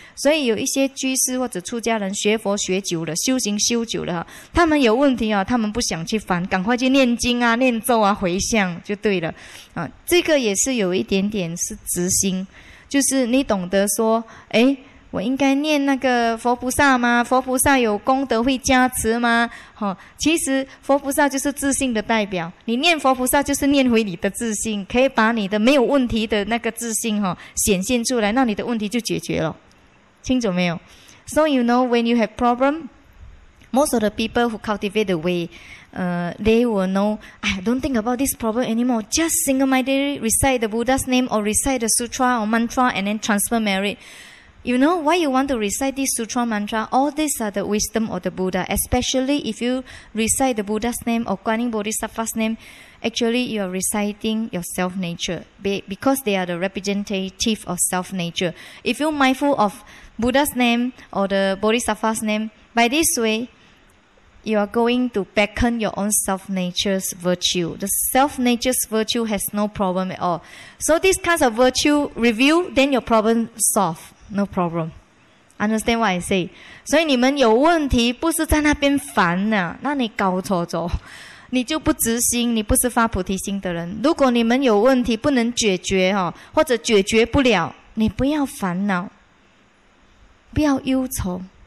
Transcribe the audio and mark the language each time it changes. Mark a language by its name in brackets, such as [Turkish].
[Chinese] 所以有一些居士或者出家人学佛学久了，修行修久了，他们有问题啊，他们不想去烦，赶快去念经啊、念咒啊、回向就对了这个也是有一点点是执心，就是你懂得说，诶，我应该念那个佛菩萨吗？佛菩萨有功德会加持吗？其实佛菩萨就是自性的代表，你念佛菩萨就是念回你的自性，可以把你的没有问题的那个自性显现出来，那你的问题就解决了，清楚没有？ [English] So you know when you have problem, most of the people who cultivate the way, they will know, I don't think about this problem anymore, just single-mindedly recite the Buddha's name or recite the sutra or mantra and then transfer merit. You know why you want to recite this sutra mantra? All these are the wisdom of the Buddha, especially if you recite the Buddha's name or Guan Yin Bodhisattva's name, actually you are reciting your self-nature because they are the representative of self-nature. If you're mindful of Buddha's name or the Bodhisattva's name, by this way, you are going to beckon your own self-nature's virtue. The self-nature's virtue has no problem at all. So this kind of virtue review, then your problem solved. No problem. Understand what I say? [Chinese] 所以你们有问题不是在那边烦啊，那你搞错了，你就不执心，你不是发菩提心的人。如果你们有问题不能解决或者解决不了，你不要烦恼，不要忧愁。